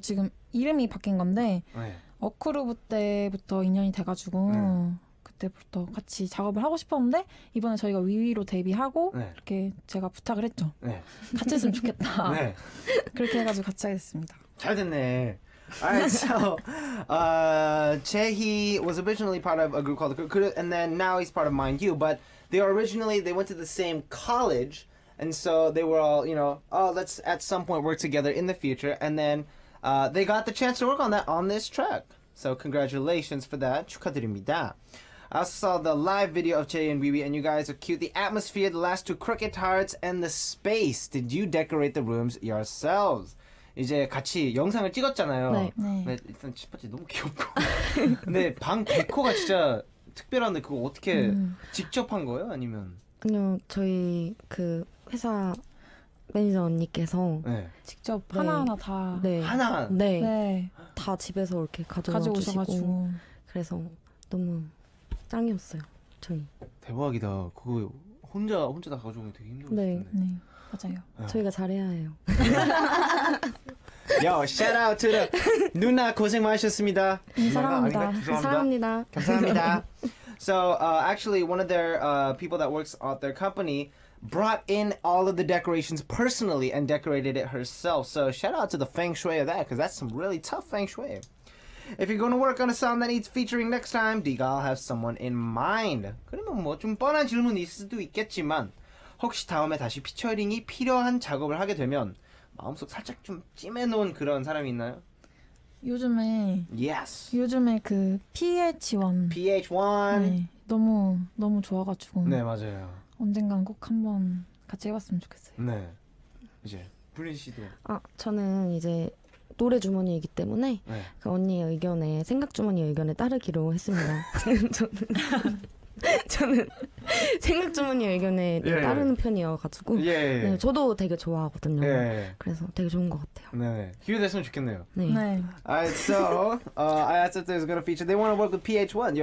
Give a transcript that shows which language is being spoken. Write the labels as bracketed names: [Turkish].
[Korean] 지금 이름이 바뀐 건데 어그룹 때부터 인연이 돼가지고. 때부터 같이 작업을 하고 싶었는데 이번에 저희가 위위로 데뷔하고 네. 이렇게 제가 부탁을 했죠. 네. 같이 했으면 좋겠다. 네. 그렇게 해가지고 같이 하겠습니다. 잘 됐네. [English] Alright, so Jaehee was originally part of a group called the Group, and then now he's part of Mind You. But they originally they went to the same college, and so they were all, you know, oh, let's at some point work together in the future. And then they got the chance to work on that on this track. So congratulations for that. [Korean] 축하드립니다. [English] I saw the live video of Jaehee and Weeby, and you guys are cute. The atmosphere, the last two crooked hearts, and the space. Did you decorate the rooms yourselves? [Korean] 이제 같이 영상을 찍었잖아요. 네. 네. 일단 치파치 너무 귀엽고. 근데 방 데코가 진짜 특별한데 그거 어떻게 직접 한 거예요? 아니면? 그냥 저희 그 회사 매니저 언니께서 네. 직접 하나하나 다 네. 하나 네. 네. 다 집에서 이렇게 가져오셔가지고 그래서 너무 짱이었어요, 저희. 대박이다. 그거 혼자 다 가져오면 되게 힘들었을 텐데. 네, 네, 맞아요. 야. 저희가 잘해야 해요. 야, [English] shout out to the [Korean] 누나 고생 많으셨습니다. 감사합니다. 감사합니다. 감사합니다. [English] So actually, one of their people that works at their company brought in all of the decorations personally and decorated it herself. So shout out to the feng shui of that, because that's some really tough feng shui. If you're going to work on a song that needs featuring next time, Diga, I'll have someone in mind. [Korean] 그러면 뭐 좀 뻔한 질문이 있을 수도 있겠지만 혹시 다음에 다시 피처링이 필요한 작업을 하게 되면 마음속 살짝 좀 찜해놓은 그런 사람이 있나요? 요즘에 [English] yes. [Korean] 요즘에 그 PH1 PH1 네, 너무 너무 좋아가지고 네 맞아요. 언젠간 꼭 한번 같이 해봤으면 좋겠어요. 네 이제 브린 씨도 아 저는 이제 노래 주머니이기 때문에 네. 그 언니의 의견에 생각 주머니 의견에 따르기로 했습니다. 저는 저는 생각 주머니 의견에 예. 따르는 편이어가지고 예. 네, 저도 되게 좋아하거든요. 예. 그래서 되게 좋은 것 같아요. 네, 기회 됐으면 좋겠네요. 네. 네. [English] Alright, so I asked if there's gonna feature. They want to work with PH1.